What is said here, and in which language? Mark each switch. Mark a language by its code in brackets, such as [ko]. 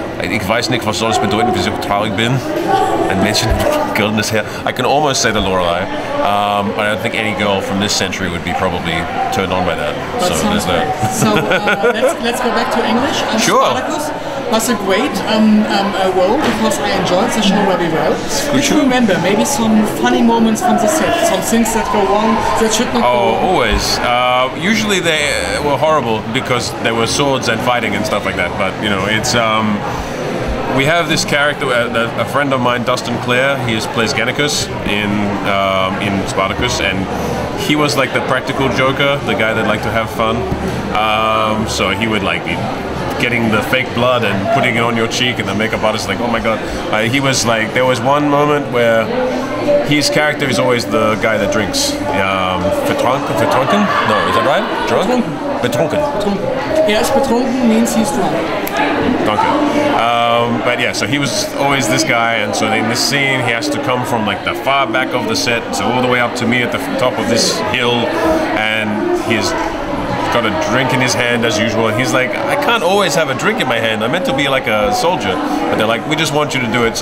[de] Ich weiß nicht, was soll es bedeuten, wie ich traurig bin. Ein Mädchen mit goldenes Haar. [en] I can almost say the Lorelei. But I don't think any girl from this century would be probably turned on by that. But so there's that. let's go back to English. I'm sure. Spartacus was a great role because I enjoyed the show very well. Could you remember maybe some funny moments from the set? Some things that go wrong that should not go wrong? Oh, always. Usually they were horrible because there were swords and fighting and stuff like that. But, you know, it's... We have this character, a friend of mine, Dustin Clare, he plays Gannicus in Spartacus, and he was like the practical joker, the guy that liked to have fun. So he would like be getting the fake blood and putting it on your cheek, and the makeup artist like, oh my god. He was like, there was one moment where his character is always the guy that drinks. [de] Vertrunken? [en] No, is that right? Drunk? [de] Betrunken. Er ist betrunken [en] means he's drunk. [de] Danke. [en] But yeah, so he was always this guy, and so in this scene he has to come from like the far back of the set to all the way up to me at the top of this hill, and he's got a drink in his hand as usual, and he's like, I can't always have a drink in my hand, I'm meant to be like a soldier, but they're like, we just want you to do it.